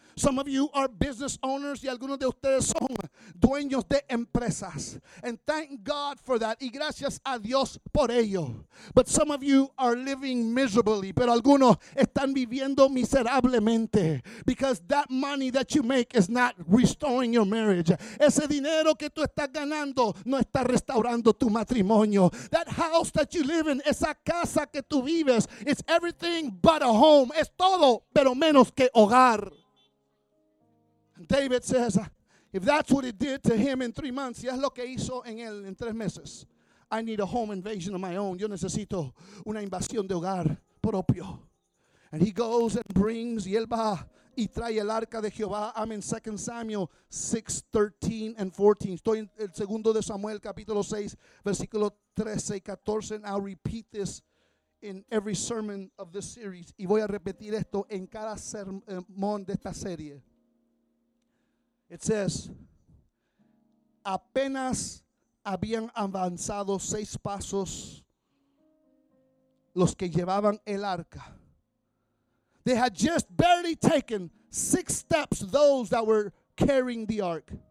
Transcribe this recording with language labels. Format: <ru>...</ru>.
<en>Some of you are business owners</en> <es>y algunos de ustedes son dueños de empresas.</es> <en>And thank God for that.</en> <es>Y gracias a Dios por ello.</es> <en>But some of you are living miserably.</en> <es>Pero algunos están viviendo miserablemente.</es> <en>Because that money that you make is not restoring your marriage.</en> <es>Ese dinero que tú estás ganando no está restaurando tu matrimonio.</es> <en>That house that you live in,</en> <es>esa casa que tú vives,</es> <en>it's everything but a home.</en> <es>Es todo, pero menos que hogar.</es> <en>David says, if that's what it did to him in 3 months,</en> <es>ya es lo que hizo en él en 3 meses.</es> <en>I need a home invasion of my own.</en> <es>Yo necesito una invasión de hogar propio.</es> <en>And he goes and brings,</en> <es>y él va y trae el arca de Jehová.</es> <en>I'm in 2 Samuel 6, 13 and 14.</en> <es>Estoy en el segundo de Samuel, capítulo 6, versículo 13 y 14.</es> <en>And I'll repeat this in every sermon of this series.</en> <es>Y voy a repetir esto en cada sermón de esta serie.</es> <en>It says,</en> <es>apenas habían avanzado 6 pasos los que llevaban el arca.</es> <en>They had just barely taken 6 steps, those that were carrying the ark.</en>